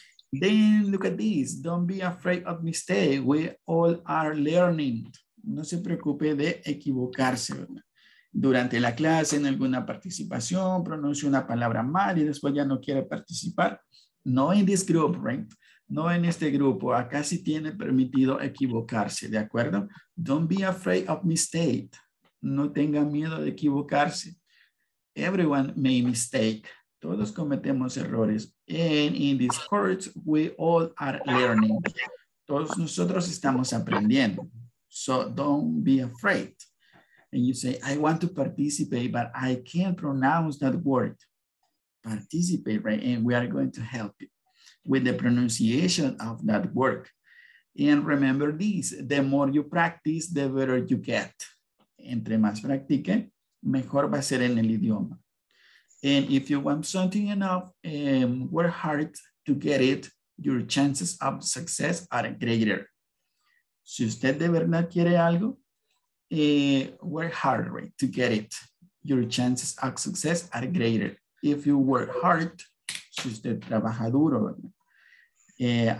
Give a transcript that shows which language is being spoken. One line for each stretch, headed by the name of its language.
English: Then look at this, don't be afraid of mistake, we all are learning.
Spanish: No se preocupe de equivocarse, ¿verdad? Durante la clase, en alguna participación, pronuncie una palabra mal y después ya no quiere participar.
English: No in this group, right?
Spanish: No en este grupo, acá sí tiene permitido equivocarse, ¿de acuerdo?
English: Don't be afraid of mistake.
Spanish: No tenga miedo de equivocarse.
English: Everyone may mistake.
Spanish: Todos cometemos errores.
English: And in this course, we all are learning.
Spanish: Todos nosotros estamos aprendiendo.
English: So don't be afraid. And you say, I want to participate, but I can't pronounce that word. Participate, right? And we are going to help you with the pronunciation of that word. And remember this, the more you practice, the better you get.
Spanish: Entre más practique, mejor va a ser en el idioma.
English: And if you want something enough, work hard to get it, your chances of success are greater.
Spanish: Si usted de verdad quiere algo,
English: work hard, right, to get it. Your chances of success are greater. If you work hard,
Spanish: si usted trabaja duro, ¿verdad?